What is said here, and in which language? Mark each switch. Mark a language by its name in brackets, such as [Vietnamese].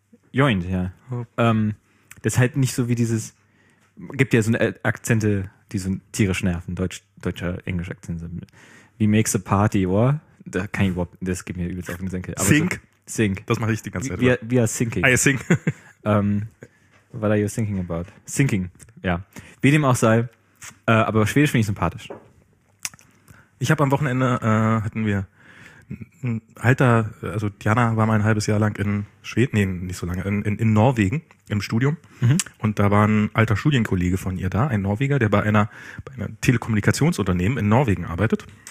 [German] Joint, ja. Oh. Das ist halt nicht so wie dieses... Gibt ja so Akzente, die so tierisch nerven. Deutscher, englischer Akzent. Wie [English] makes a party, [German] oder? Da kann ich überhaupt, das geht mir übelst auf den Senkel. [English] Sink. So, sink. [German] Das mache ich die ganze Zeit. [English] We are sinking. I sink. What are you thinking about? [German] Sinking, ja. Wie dem auch sei. Aber Schwedisch finde ich sympathisch. Ich habe am Wochenende, hatten wir ein alter, also Diana war mal ein halbes Jahr lang in Schweden, nee, nicht so lange, in Norwegen im Studium. Mhm. Und da war ein alter Studienkollege von ihr da, ein Norweger, der bei einem Telekommunikationsunternehmen in Norwegen arbeitet.